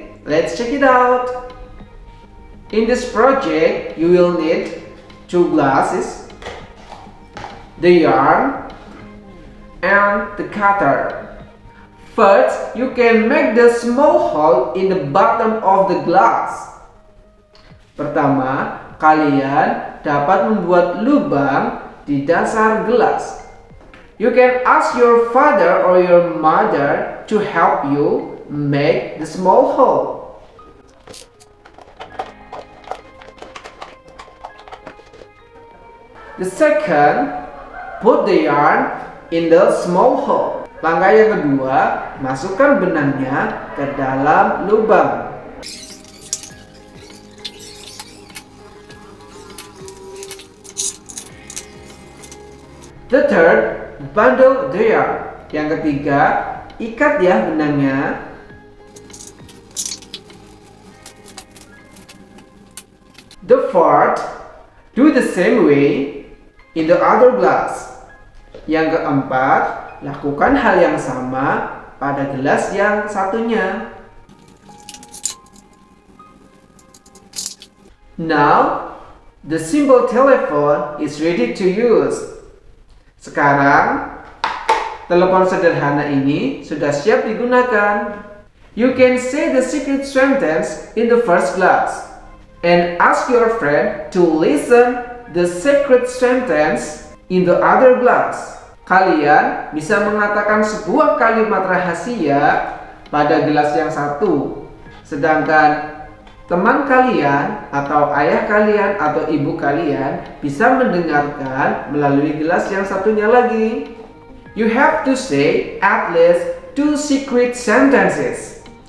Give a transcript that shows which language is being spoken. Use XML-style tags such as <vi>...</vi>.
<en>Let's check it out. In this project, you will need two glasses, the yarn, and the cutter. First, you can make the small hole in the bottom of the glass.</en> <id>Pertama, kalian dapat membuat lubang di dasar gelas.</id> <en>You can ask your father or your mother to help you make the small hole. The second, put the yarn in the small hole.</en> <id>Langkah yang kedua, masukkan benangnya ke dalam lubang.</id> <en>The third, bundle the yarn.</en> <id>Yang ketiga, ikat ya benangnya.</id> <en>The fourth, do the same way in the other glass.</en> <id>Yang keempat, lakukan hal yang sama pada gelas yang satunya.</id> <en>Now, the simple telephone is ready to use.</en> <id>Sekarang, telepon sederhana ini sudah siap digunakan.</id> <en>You can say the secret sentence in the first glass and ask your friend to listen the secret sentence in the other glass.</en> <id>Kalian bisa mengatakan sebuah kalimat rahasia pada gelas yang satu, sedangkan teman kalian atau ayah kalian atau ibu kalian bisa mendengarkan melalui gelas yang satunya lagi.</id> <en>You have to say at least two secret sentences.</en>